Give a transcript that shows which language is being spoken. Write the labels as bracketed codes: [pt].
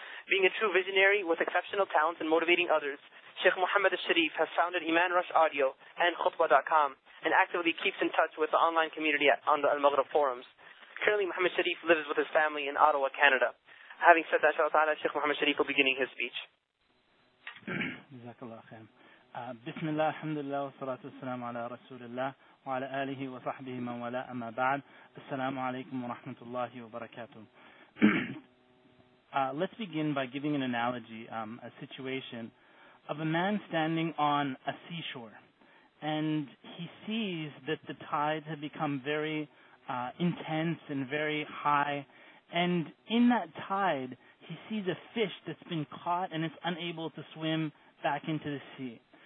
[en] Being a true visionary with exceptional talents and motivating others, Sheikh Muhammad al-Sharif has founded Iman Rush Audio and Khutbah.com and actively keeps in touch with the online community on the Al Maghrib forums. Currently, Muhammad Sharif lives with his family in Ottawa, Canada. Having said that, inshallah ta'ala, Sheikh Muhammad Sharif will be beginning his speech. [ar] JazakAllah khair. بسم الله الحمد لله والصلاة والسلام على رسول الله وعلى آله وصحبه من ولا أما بعد السلام عليكم ورحمة الله وبركاته. [en] Let's begin by giving an analogy, a situation of a man standing on a seashore, and he sees that the tides have become very intense and very high, and in that tide he sees a fish that's been caught and it's unable to swim back into the sea.